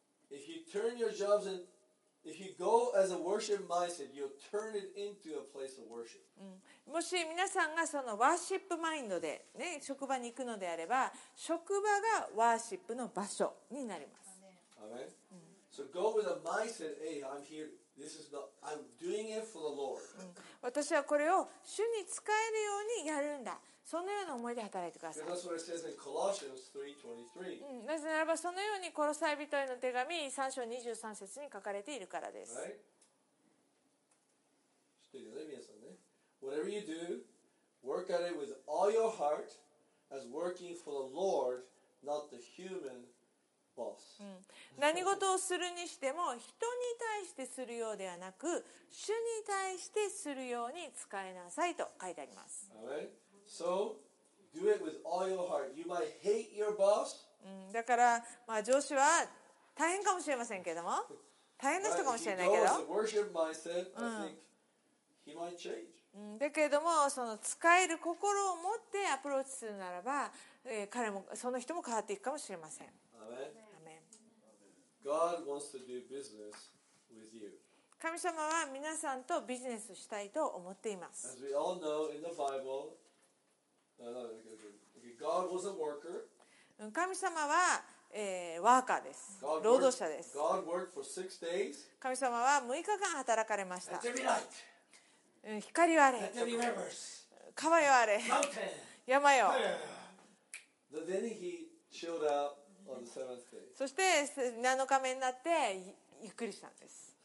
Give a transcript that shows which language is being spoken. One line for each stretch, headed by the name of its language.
English: If you turn your jobs andIf you go as a worship mindset, you'll turn it into a place of worship.
Japanese: もし皆さんがそのワーシップマインドで、ね、職場に行くのであれば、職場がワーシップの場所になります。
English: Amen. So go with a mindset, hey, I'm here. This is not, I'm doing it for the Lord.
Japanese: 私はこれを主に使えるようにやるんだ。そのような思いで働いてください。
English: That's what it says in Colossians 3:23.
Japanese: なぜならばそのようにコロサイ人への手紙3章23節に書かれているからです。知っているね、皆さんね。
English: Whatever you do, work at it with all your heart as working for the Lord, not the human boss.
Japanese: 何事をするにしても人に対してするようではなく、主に対してするように使いなさいと書いてあります。
English: So, do it with all your heart. You might hate your boss.
Japanese: だから、まあ、上司は大変かもしれませんけども、大変な人かもしれないけど。
English: worship mindset, I think he might change.
Japanese: だけれども、その使える心を持ってアプローチするならば、彼もその人も変わっていくかもしれません。
English: Amen. God wants to do business with you.
Japanese: 神様は皆さんとビジネスしたいと思っています。
English: As we all know in the Bible,God was a worker.
Japanese: 神様は、ワーカーです。労働者です。
English: God worked for six days.
Japanese: 神様は6日間働かれました。光はあれ。川よあれ。山よ。
English: But then he chilled out on the seventh day.
Japanese: そして7日目になってゆっくりしたんです。